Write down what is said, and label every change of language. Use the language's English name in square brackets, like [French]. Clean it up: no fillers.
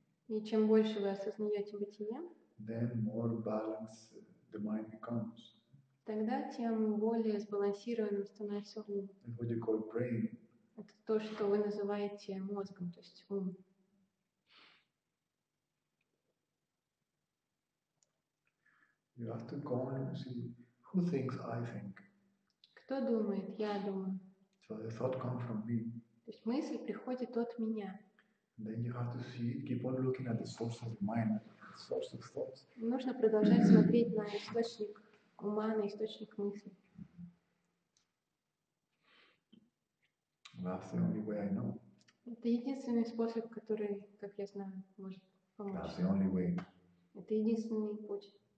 [Russian] И чем больше вы осознаете бытие, [English] then more balance the mind becomes. [Russian] Тогда тем более сбалансированным становится ум. [English] And what you call brain. [Russian] Это то, что вы называете мозгом, то есть ум. [English] You have to go and see who thinks I think. [Russian] Кто думает, я думаю. [English] So the thought comes from me. [Russian] То есть мысль приходит от меня. [English] Then you have to see, keep on looking at the source of the mind, the source of thoughts. [Russian] Нужно продолжать смотреть на источник ума, на источник мысли. [English] That's the only way I know. [Russian] Это единственный способ, который, как я знаю, может помочь. [English] That's the only way. [Russian] Это единственный путь.